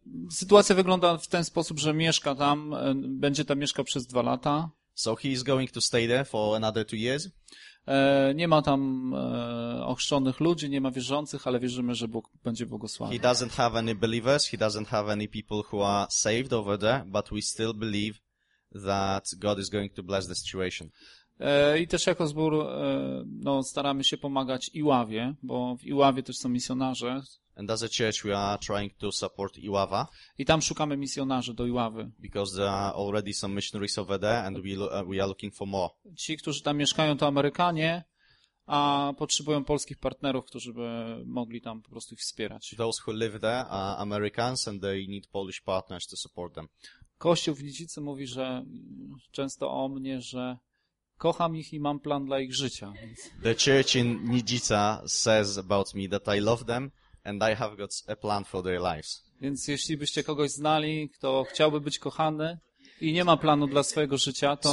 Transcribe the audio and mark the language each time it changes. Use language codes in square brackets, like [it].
[pl] sytuacja wygląda w ten sposób, że mieszka tam, będzie tam mieszkał przez 2 lata. [en] So he is going to stay there for another 2 years. [pl] Nie ma tam ochrzczonych ludzi, nie ma wierzących, ale wierzymy, że Bóg będzie błogosławił. [en] He doesn't have any believers, he doesn't have any people who are saved over there, but we still believe that God is going to bless the situation. [pl] I też jako zbór staramy się pomagać Iławie, bo w Iławie też są misjonarze. [en] And as a church we are trying to support Iława. [pl] I tam szukamy misjonarzy do Iławy. [en] Because there are already some missionaries over there and we are looking for more. [pl] Ci, którzy tam mieszkają, to Amerykanie, a potrzebują polskich partnerów, którzy by mogli tam po prostu ich wspierać. [en] Those who live there are Americans and they need Polish partners to support them. [pl] Kościół w Nidzicy mówi, że często o mnie, że kocham ich i mam plan dla ich życia. [en] The church in Nidzica says about me that I love them and I have got a plan for their lives. [pl] Więc jeśli byście kogoś znali, kto chciałby być kochany i nie ma planu dla swojego życia, to...